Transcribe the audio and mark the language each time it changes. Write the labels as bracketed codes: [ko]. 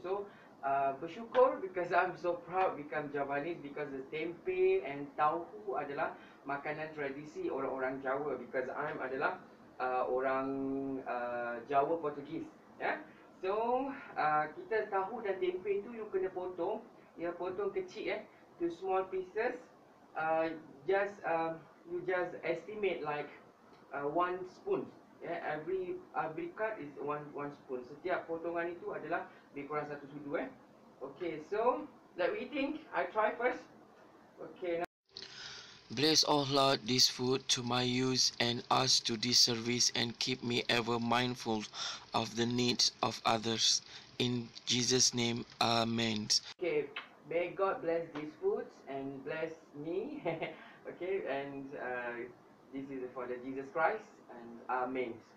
[en] So bersyukur, because I'm so proud become Javanese, because the tempe and tauhu adalah makanan tradisi orang-orang Jawa, because I'm adalah orang Jawa Portugis, yeah. [ms] So, kita tahu dan tempe tu you kena potong. Ya, potong kecil eh. To small pieces. [en] Just, you just estimate like one spoon. Yeah, every cut is one spoon. [ms] Setiap potongan itu adalah lebih kurang satu sudu eh. [en] Okay, so, let me think. I try first. Okay, now. Bless all Lord this food to my use and us to this service, and keep me ever mindful of the needs of others. In Jesus' name, amen. Okay, babe, may God bless these foods and bless me. Okay, and this is for the Jesus Christ and Amen.